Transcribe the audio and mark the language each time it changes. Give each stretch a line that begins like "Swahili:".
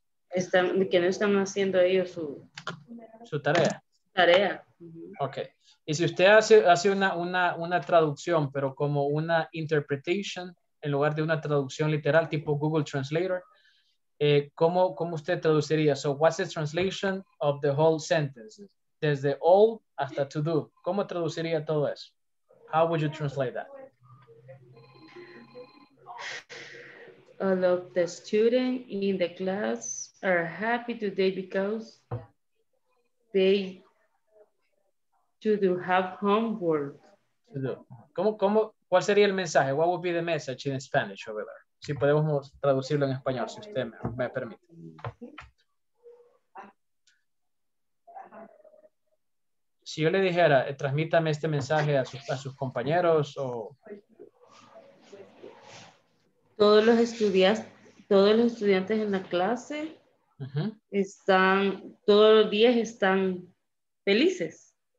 Spanish: Están, que no están haciendo ellos su tarea. Tarea. Ok. Y si usted hace una traducción, pero como una interpretation, en lugar de una traducción literal, tipo Google Translator, ¿cómo usted traduciría?
English: So, what's the translation of the whole sentence?
Spanish: Desde all hasta to do. ¿Cómo traduciría todo eso?
English: How would you translate that? All of the students in the class are happy today because they do have homework.
Spanish: ¿Cómo? ¿Cuál sería el mensaje?
English: What would be the message in Spanish over there?
Spanish: Si podemos traducirlo en español, si usted me permite. Si yo le dijera, transmítame este mensaje a sus compañeros o... Todos los estudiantes en la clase están, todos los días están felices.